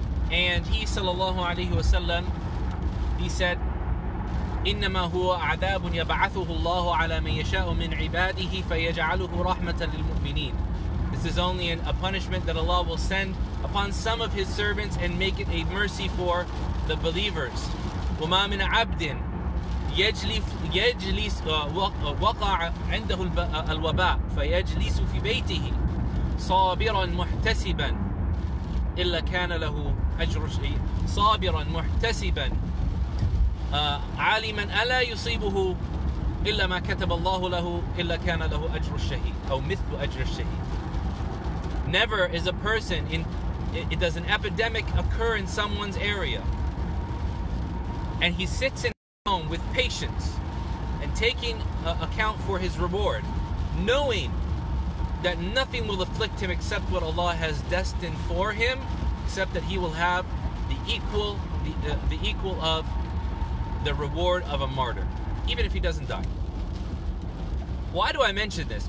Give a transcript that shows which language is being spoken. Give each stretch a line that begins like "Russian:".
English: And he sallallahu alayhi wasallam, he said,
Arabic: إِنَّمَا هُوَ عَذَابٌ يَبْعَثُهُ اللَّهُ عَلَى مَنْ يَشَاءُ مِنْ عِبَادِهِ فَيَجْعَلُهُ رَحْمَةً لِلْمُؤْمِنِينَ.
English: This is only a punishment that Allah will send upon some of His servants and make it a mercy for the believers.
Arabic: وَمَا مِنْ عَبْدٍ يجلس وقع عنده الوباء فيجلس في بيته صابرا محتسبا إلا كان له أجر شيء صابرا محتسبا عالما ألا يصيبه إلا ما كتب الله له إلا كان له أجر الشهيد أو مثل أجر الشهيد.
English: Never is a person in it, does an epidemic occur in someone's area and he sits in home with patience and taking account for his reward, knowing that nothing will afflict him except what Allah has destined for him, except that he will have the equal of the reward of a martyr, even if he doesn't die. Why do I mention this?